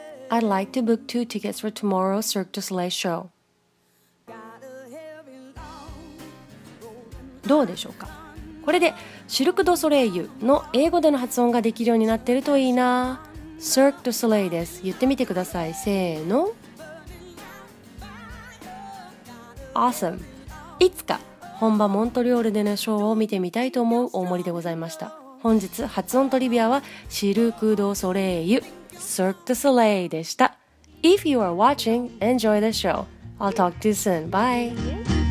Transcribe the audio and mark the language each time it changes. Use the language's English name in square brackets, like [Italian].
[English] I'd like to book two tickets for tomorrow's Cirque du Soleil show。 [Japanese] どうでしょうか。これでシルク・ドゥ・ソレイユの英語での発音ができるようになってるといいな。 Cirque du Soleil です。言ってみてください。せーの、 Awesome。いつか本場モントリオールでのショーを見てみたいと思う大森でございました。本日発音トリビアはシルク・ドゥ・ソレイユCirque du Soleil でした。 [English] If you are watching, enjoy the show. I'll talk to you soon. Bye.